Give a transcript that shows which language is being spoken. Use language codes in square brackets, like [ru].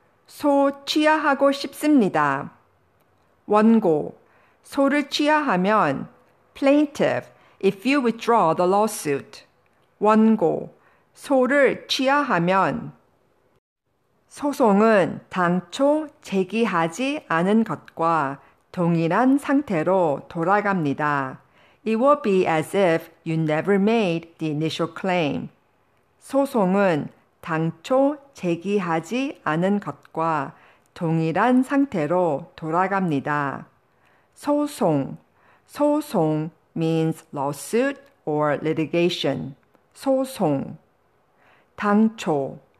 [ko] 소 취하하고 싶습니다. 원고, 소를 취하하면 [en] Plaintiff, if you withdraw the lawsuit. [ko] 원고, 소를 취하하면 소송은 당초 제기하지 않은 것과 동일한 상태로 돌아갑니다. [en] It will be as if you never made the initial claim. [ko] 소송은 당초 제기하지 않은 것과 동일한 상태로 돌아갑니다. 소송. 소송 [en] means lawsuit or litigation. [ko] 소송. 당초.